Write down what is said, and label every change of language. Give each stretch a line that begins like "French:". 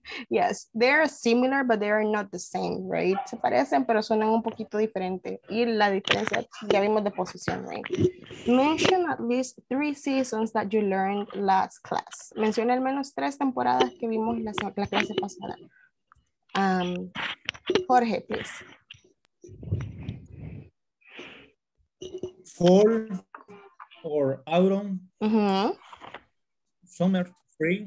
English: Yes, they are similar, but they are not the same, right?
Spanish: Se parecen, pero suenan un poquito diferente. Y la diferencia ya vimos de posición,
English: right? Mention at least three seasons that you learned last class.
Spanish: Menciona al menos tres temporadas que vimos en la clase pasada.
English: Jorge, please. Fall or autumn. Mm-hmm. Summer, spring.